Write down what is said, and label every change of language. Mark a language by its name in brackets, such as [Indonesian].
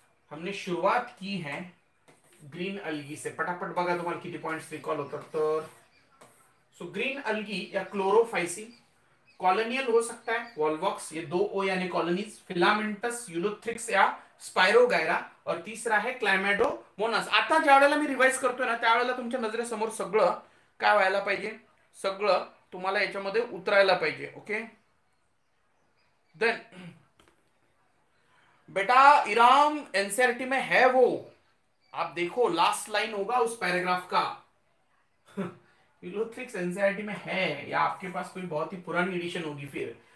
[Hindi] हमने शुरुआत की है ग्रीन अल्गी से, [Marathi] पटापट बघा तुम्हाला किती पॉइंट्स रिकॉल होतात. [Hindi] तर सो ग्रीन अल्गी या क्लोरोफाइसी कॉलोनियल हो सकता है, वॉल्वॉक्स ये दो ओ यानी कॉलोनीज, फिलामेंटस, यूलोथ्रिक्स या स्पायरोगायरा, और तीसरा है क्लैमेडोमोनास. [Marathi] आता ज्या वेळेला मी रिवाइज करतोय ना त्यावेळेला तुमच्या नजरेसमोर सगळं काय व्हायला पाहिजे, सगळं तुम्हाला याच्यामध्ये उतरायला पाहिजे. [Hindi] ओके, देन बेटा इराम एनसीईआरटी में है वो, आप देखो लास्ट लाइन होगा उस पैराग्राफ का. यूलोथ्रिक्स एनसीईआरटी में है, या आपके पास कोई बहुत ही पुरानी एडिशन होगी फिर.